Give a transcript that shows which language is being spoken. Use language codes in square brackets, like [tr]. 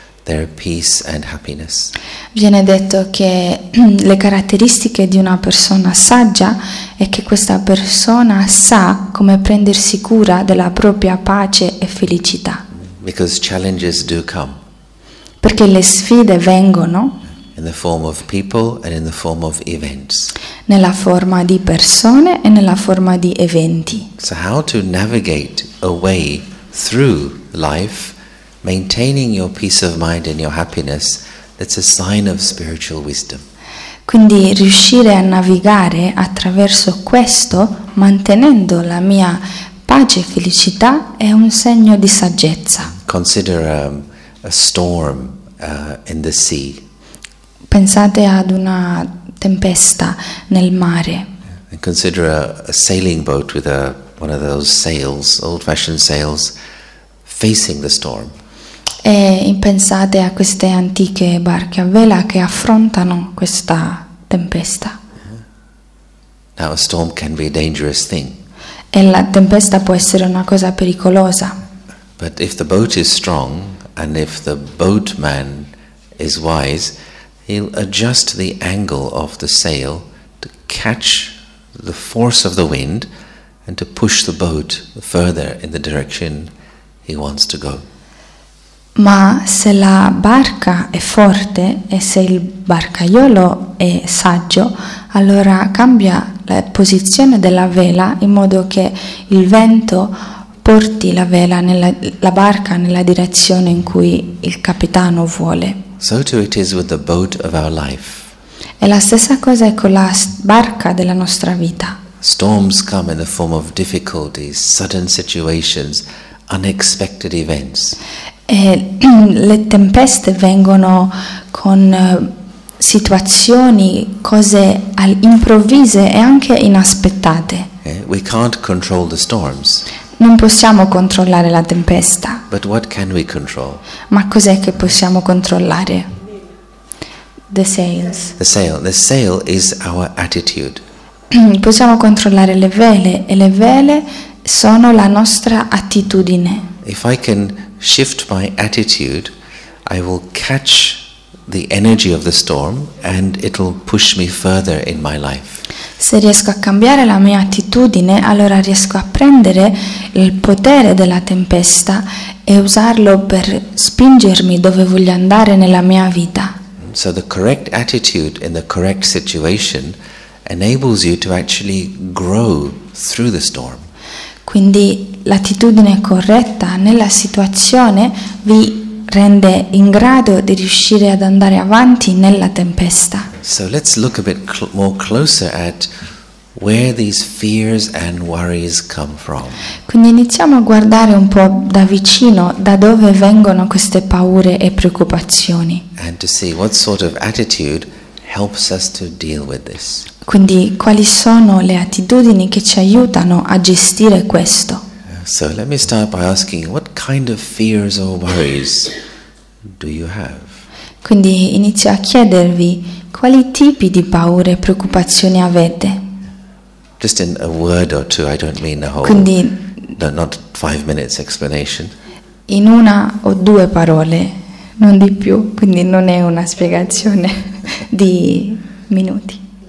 [en] their peace and happiness. [it] Viene detto che le caratteristiche di una persona saggia è che questa persona sa come prendersi cura della propria pace e felicità. [en] Because challenges do come. [it] Perché le sfide vengono. [en] In the form of people and in the form of events. [it] Nella forma di persone e nella forma di eventi. [en] So how to navigate a way through life, maintaining your peace of mind and your happiness, that's a sign of spiritual wisdom. [it] Quindi riuscire a navigare attraverso questo, mantenendo la mia pace e felicità, è un segno di saggezza. [en] Consider a storm in the sea. [it] Pensate ad una tempesta nel mare. [en] And consider a sailing boat with one of those sails, old-fashioned sails, facing the storm. [it] E pensate a queste antiche barche a vela che affrontano questa tempesta. [en] Now a storm can be a dangerous thing. [it] E la tempesta può essere una cosa pericolosa. [en] But if the boat is strong and if the boatman is wise, he'll adjust the angle of the sail to catch the force of the wind and to push the boat further in the direction he wants to go. [it] Ma se la barca è forte e se il barcaiolo è saggio, allora cambia la posizione della vela in modo che il vento porti la vela la barca nella direzione in cui il capitano vuole. [en] So too it is with the boat of our life. [it] E la stessa cosa è con la barca della nostra vita. [en] Storms come in the form of difficulties, sudden situations, unexpected events. [it] E le tempeste vengono con situazioni, cose improvvise e anche inaspettate. [en] We can't control the storms. [it] Non possiamo controllare la tempesta. [en] But what can we control? [it] Ma cos'è che possiamo controllare? [en] The sails. The sail. The sail is our attitude. [it] Possiamo controllare le vele e le vele sono la nostra attitudine. [en] If I can shift my attitude, I will catch the energy of the storm and it will push me further in my life. [it] Se riesco a cambiare la mia attitudine, allora riesco a prendere il potere della tempesta e usarlo per spingermi dove voglio andare nella mia vita. [en] So the correct attitude in the correct situation enables you to actually grow through the storm. [it] Quindi l'attitudine corretta nella situazione vi rende in grado di riuscire ad andare avanti nella tempesta. [en] So let's look a bit more closer at where these fears and worries come from. [it] Quindi iniziamo a guardare un po' da vicino da dove vengono queste paure e preoccupazioni. [en] And to see what sort of attitude helps us to deal with this. [it] Quindi quali sono le attitudini che ci aiutano a gestire questo? [en] So let me start by asking, what kind of fears or worries do you have? [it] Quindi inizio a chiedervi, quali tipi di paure e preoccupazioni avete? [en] Just in a word or two, I don't mean a whole, [it] quindi, [en] no, not 5 minutes explanation. [it] In una o due parole, non di più, quindi non è una spiegazione di minuti.